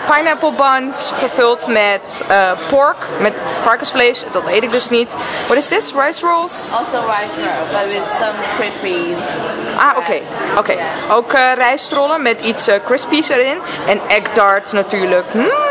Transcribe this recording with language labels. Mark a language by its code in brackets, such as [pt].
[nl] pineapple buns, gevuld met pork, met varkensvlees. Dat eet ik dus niet. [en] What is this? Rice rolls? Also rice rolls, but with some crispies. Ah, oké. Okay. Okay. Yeah. [nl] Ook rijstrollen met iets crispies erin. En egg tarts natuurlijk. Mm.